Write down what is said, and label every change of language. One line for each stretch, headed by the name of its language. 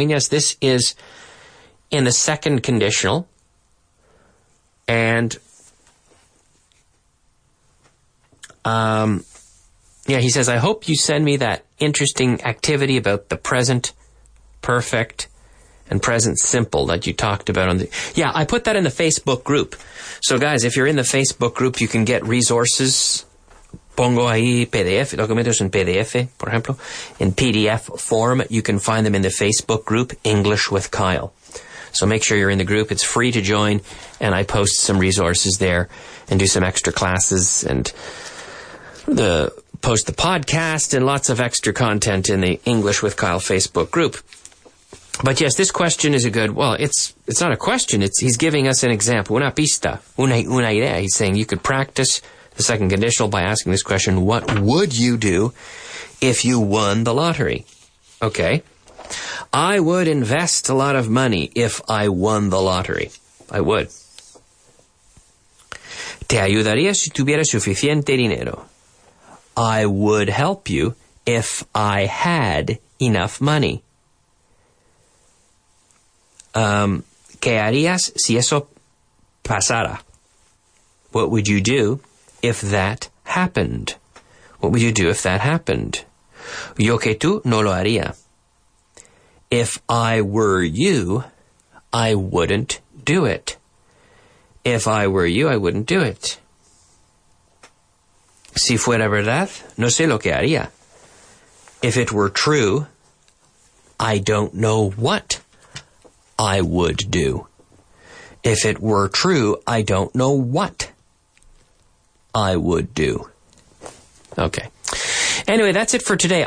English: And yes, this is in the second conditional, and he says, I hope you send me that interesting activity about the present perfect and present simple that you talked about on the, yeah, I put that in the Facebook group. So guys, if you're in the Facebook group, you can get resources
Spanish: pongo ahí PDF, documentos en PDF, por ejemplo,
English: in PDF form. You can find them in the Facebook group, English with Kyle. So make sure you're in the group. It's free to join, and I post some resources there and do some extra classes and the post the podcast and lots of extra content in the English with Kyle Facebook group. But yes, this question is a good, well, it's not a question. He's giving us an example.
Spanish: Una pista. Una idea.
English: He's saying you could practice the second conditional by asking this question. What would you do if you won the lottery? Okay. I would invest a lot of money if I won the lottery. I would.
Spanish: Te ayudaría si tuviera suficiente dinero.
English: I would help you if I had enough money.
Spanish: ¿Qué harías si eso pasara?
English: What would you do if that happened? What would you do if that happened?
Spanish: Yo que tú no lo haría.
English: If I were you, I wouldn't do it. If I were you, I wouldn't do it.
Spanish: Si fuera verdad, no sé lo que haría.
English: If it were true, I don't know what I would do. If it were true, I don't know what I would do. Okay. Anyway, that's it for today.